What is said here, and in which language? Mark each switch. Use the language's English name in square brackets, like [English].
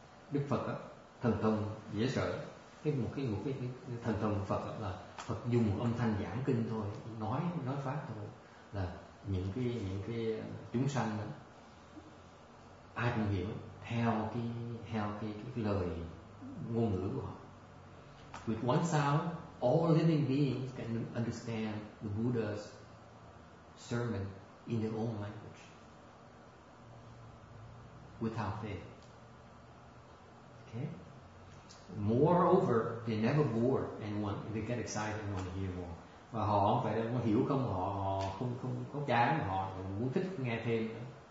[Vietnamese] Đức Phật đó, thần thông dễ sợ. Cái thần thông của Phật đó là Phật dùng một âm thanh giảng kinh thôi, nói pháp thôi, là những cái chúng sanh đó, ai cũng hiểu theo cái lời ngôn ngữ của họ. [English] With one sound, all living beings can understand the Buddha's sermon in their own language, without fail. Okay? Moreover, they never bore and want, they get excited and want to hear more. [Vietnamese] Và họ không phải là hiểu không, họ không không có chán, họ muốn thích nghe thêm nữa.